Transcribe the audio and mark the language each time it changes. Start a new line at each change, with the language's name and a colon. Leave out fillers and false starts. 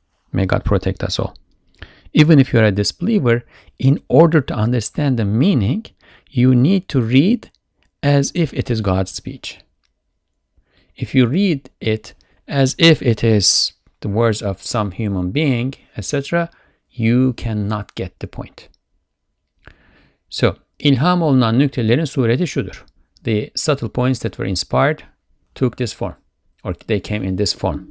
English: May God protect us all. Even if you are a disbeliever, in order to understand the meaning, you need to read as if it is God's speech. If you read it as if it is the words of some human being, etc., you cannot get the point.
Turkish: So, ilham olunan nüktelerin sureti şudur.
English: The subtle points that were inspired took this form, or they came in this form.